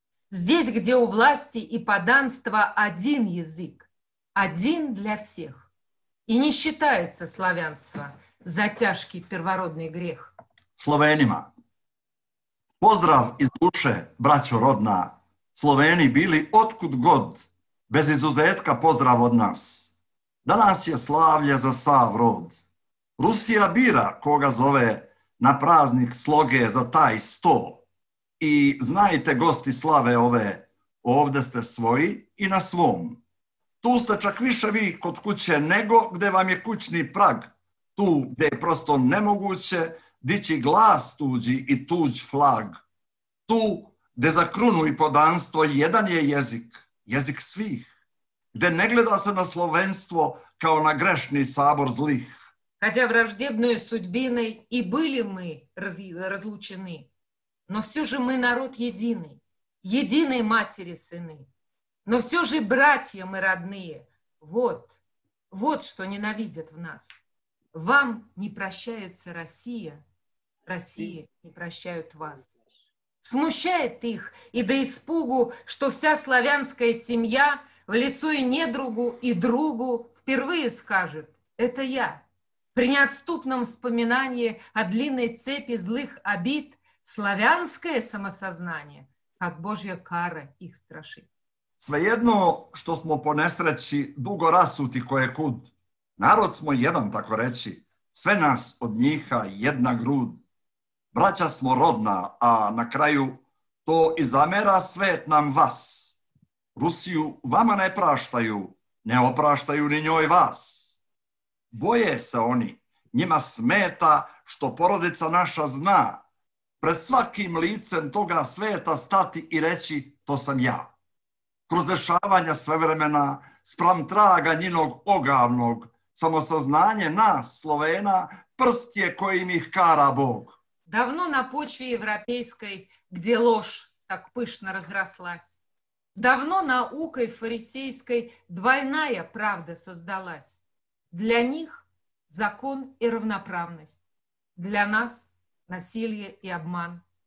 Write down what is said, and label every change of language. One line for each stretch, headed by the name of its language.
Russian: Здесь, где у власти и поданства один язык, один для всех. И не считается славянство за тяжкий первородный грех.
Serbian: Словенима. Поздрав из душе, братчо родна. Словени били откуд год, без изузетка поздрав од нас. Данас је славље за сав род. Русия бира, кого зове на праздник слоге за тај сто. И знаете, гости славе ове, овде сте своји и на свом. Ту сте чак више ви код куће него, где вам је кућни праг. Ту, где је просто немогуће, дићи глас туђи и туђ флаг. Ту, где за круну и поданство један је језик, језик свих. Где не гледа се на словенство, као на грешни сабор злих.
Russian: Хотя враждебной судьбиной и были мы разлучены, но все же мы народ единый, единой матери сыны. Но все же братья мы родные, вот, вот что ненавидят в нас. Вам не прощается Россия, Россия не прощают вас. Смущает их и до испугу, что вся славянская семья в лицо и недругу, и другу впервые скажет: «Это я». При неотступном вспоминании о длинной цепи злых обид славянское самосознание, как Божья кара, их страшит.
Serbian: Свеедно, что смо по несрећи дуго расути кое-куд, народ смо један, тако речи, све нас од њиха једна груд. Браћа смо родна, а на крају то и замера свет нам вас. Русију вама не праштају, не опраштају ни њој вас. Боје се они, њима смета што породица наша зна пред сваким лицем тога света стати и рећи «то сам ја». Кроз дешавања све времена, спрам трага њиног огавног, самосознање нас, Словена, прст је којим их кара Бог.
Russian: Давно на почве европейской, где ложь так пышно разрослась, давно наукой фарисейской двойная правда создалась. Для них закон и равноправность, для нас насилие и обман.